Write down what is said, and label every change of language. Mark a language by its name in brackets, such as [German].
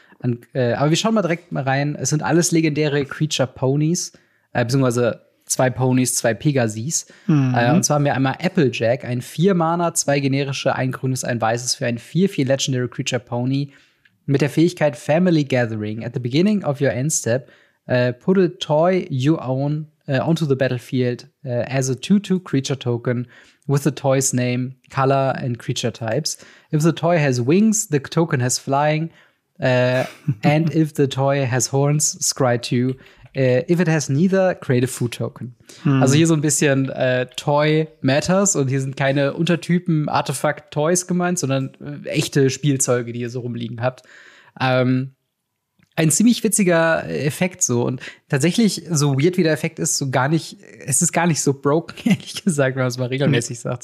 [German] Aber wir schauen mal direkt mal rein. Es sind alles legendäre Creature Ponies, beziehungsweise zwei Ponys, zwei Pegasis. Und zwar haben wir einmal Applejack, ein 4-Mana, 2 generische, ein grünes, ein weißes für ein 4-4 Legendary Creature Pony mit der Fähigkeit Family Gathering. [English] At the beginning of your end step, put a toy you own onto the battlefield as a 2-2 creature token with the toy's name, color and creature types. If the toy has wings, the token has flying. and if the toy has horns, scry 2. If it has neither, create a food token. [German] Also hier so ein bisschen Toy Matters und hier sind keine Untertypen Artefakt-Toys gemeint, sondern echte Spielzeuge, die ihr so rumliegen habt. Ein ziemlich witziger Effekt so und tatsächlich, so weird wie der Effekt ist, so gar nicht, es ist gar nicht so broken, ehrlich gesagt, wenn man es mal regelmäßig sagt.